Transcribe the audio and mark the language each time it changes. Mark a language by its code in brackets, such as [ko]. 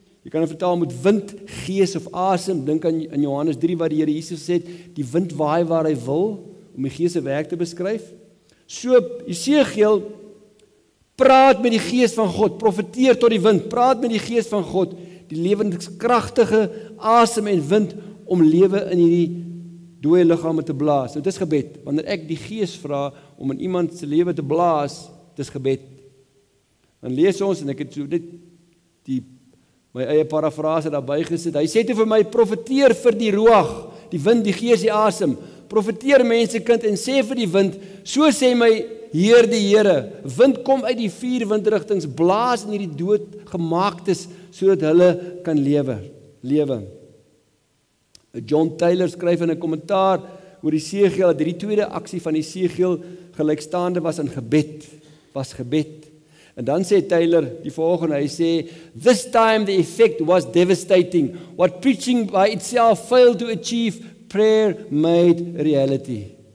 [af] Je kan het vertaal met wind, geest of asem. Denk aan in Johannes 3 waar die Here Jesus sê, die wind waai waar hy wil, om die geest sy werk te beskryf. So, Esigiël praat met die geest van God, profeteer tot die wind, praat met die geest van God, die lewenskragtige asem en wind, om lewe in die dooie lichame te blaas. Nou, dit is gebed, wanneer ek die geest vra om in iemand se lewe te blaas, dit is gebed. Dan lees ons, en ek het so net die, my eie parafrase daarby gesit, hy sê toe vir my, profeteer vir die ruach, die wind, die geest, die asem, profeteer mense kind, en sê vir die wind, so sê my, Heer die Here, wind kom uit die vier windrigtings, blaas in die dood gemaakt is, so dat hulle kan lewe. John Taylor skryf in een kommentaar oor die Esigiël, dat die tweede aksie van die Esigiël gelykstaande was in gebed, was gebed. En dan sê Taylor die volgende, hy sê, [en] this time the effect was devastating, what preaching by itself failed to achieve, prayer made reality.